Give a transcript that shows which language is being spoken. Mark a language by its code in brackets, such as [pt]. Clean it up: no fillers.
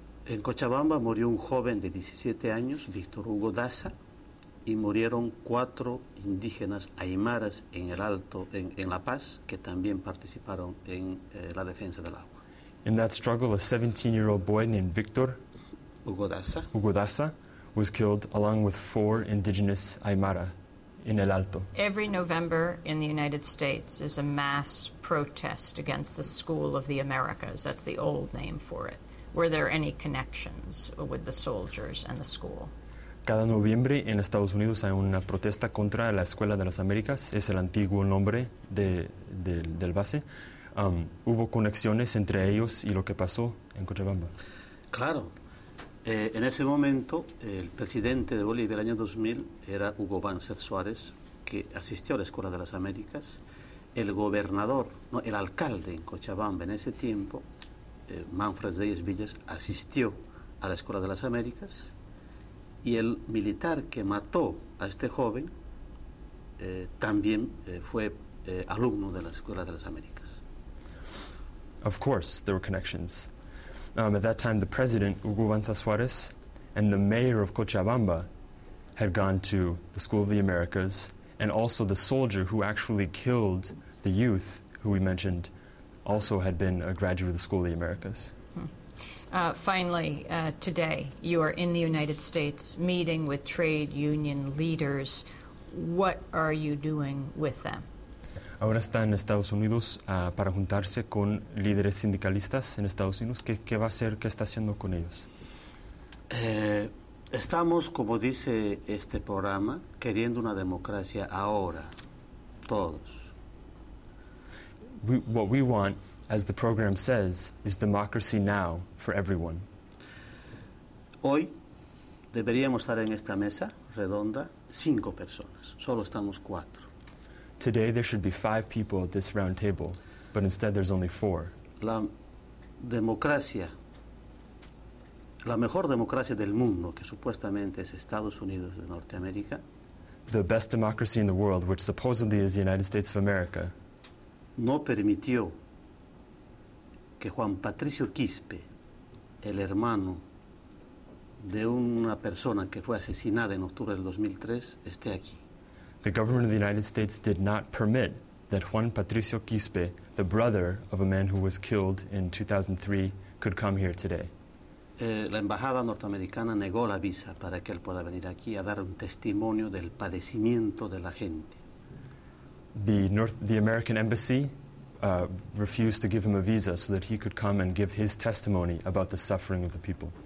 [es] En Cochabamba murió un joven de 17 años, Víctor Hugo Daza, y murieron cuatro indígenas aymaras en el Alto, en La Paz, que también participaron en la defensa del agua. [en] In that struggle, a 17-year-old boy named Víctor Hugo Daza was killed along with four indigenous aymara in El Alto. Every November in the United States is a mass protest against the School of the Americas. That's the old name for it. Were there any connections with the soldiers and the school? [es] Cada noviembre en Estados Unidos hay una protesta contra la Escuela de las Américas. Es el antiguo nombre del base. ¿Hubo conexiones entre ellos y lo que pasó en Cochabamba? Claro. En ese momento, el presidente de Bolivia, el año 2000, era Hugo Banzer Suárez, que asistió a la Escuela de las Américas. El gobernador, no, el alcalde en Cochabamba en ese tiempo, Manfred Reyes Villas, asistió a la Escuela de las Américas. Y el militar que mató a este joven también fue alumno de la Escuela de las Américas. [en] Of course, there were connections. At that time, the president, Hugo Banza Suárez, and the mayor of Cochabamba had gone to the School of the Americas, and also the soldier who actually killed the youth, who we mentioned, also had been a graduate of the School of the Americas. Finally, today, you are in the United States meeting with trade union leaders. What are you doing with them? [es] Ahora está en Estados Unidos para juntarse con líderes sindicalistas en Estados Unidos. ¿Qué va a hacer? ¿Qué está haciendo con ellos? Estamos, como dice este programa, queriendo una democracia ahora, todos. [en] What we want, as the program says, is democracy now for everyone. [es] Hoy deberíamos estar en esta mesa redonda cinco personas. Solo estamos cuatro. [en] Today there should be five people at this round table, but instead there's only four. [es] La democracia, la mejor democracia del mundo, que supuestamente es Estados Unidos de Norteamérica. [en] The best democracy in the world, which supposedly is the United States of America. [es] No permitió que Juan Patricio Quispe, el hermano de una persona que fue asesinada en octubre del 2003, esté aquí. [en] The government of the United States did not permit that Juan Patricio Quispe, the brother of a man who was killed in 2003, could come here today. [es] La embajada norteamericana negó la visa para que él pueda venir aquí a dar un testimonio del padecimiento de la gente. [en] The American embassy refused to give him a visa so that he could come and give his testimony about the suffering of the people.